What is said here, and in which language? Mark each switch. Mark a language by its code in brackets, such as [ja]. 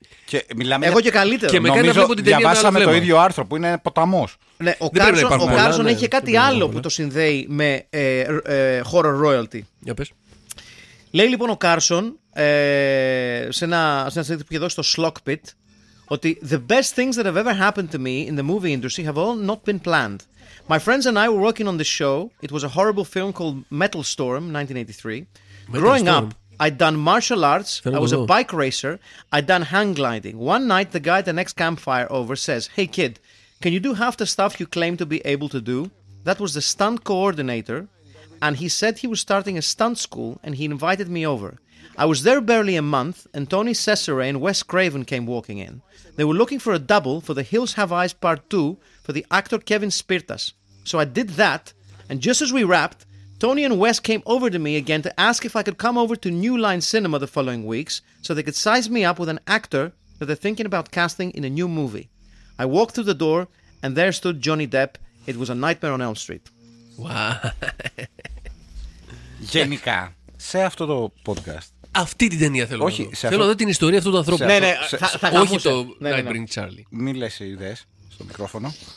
[el] Και μιλάμε εγώ και καλύτερο. Και με κάνει να βλέπω την ταινία. Διαβάσαμε το ίδιο άρθρο που είναι ποταμός. Ναι, ο Κάρσον ναι, έχει κάτι άλλο πολλά. Που το συνδέει με horror royalty. Για πες. Λέει λοιπόν ο Κάρσον σε ένα συνέντευξη που είχε δώσει στο Slock Pit. [en] Ότι the best things that have ever happened to me in the movie industry have all not been planned. My friends and I were working on this show. It was a horrible film called Metal Storm, 1983. Metal Growing Storm. Up, I'd done martial arts. I was a bike racer. I'd done hang gliding. One night, the guy at the next campfire over says, "Hey, kid, can you do half the stuff you claim to be able to do?" That was the stunt coordinator. And he said he was starting a stunt school and he invited me over. I was there barely a month and Tony Cesare and Wes Craven came walking in. They were looking for a double for The Hills Have Eyes Part 2 for the actor Kevin Spirtas. So I did that, and just as we wrapped, Tony and Wes came over to me again to ask if I could come over to New Line Cinema the following weeks so they could size me up with an actor that they're thinking about casting in a new movie. I walked through the door and there stood Johnny Depp. It was a nightmare on Elm Street. Wow. [el] Γενικά, σε αυτό το podcast. Αυτή την ταινία θέλω. Όχι, να δω. Θέλω να δω την ιστορία αυτού του ανθρώπου. Ναι, ναι, θα όχι θα το ναι, Nightbring ναι. Charlie. Μην λες ιδέες στο μικρόφωνο.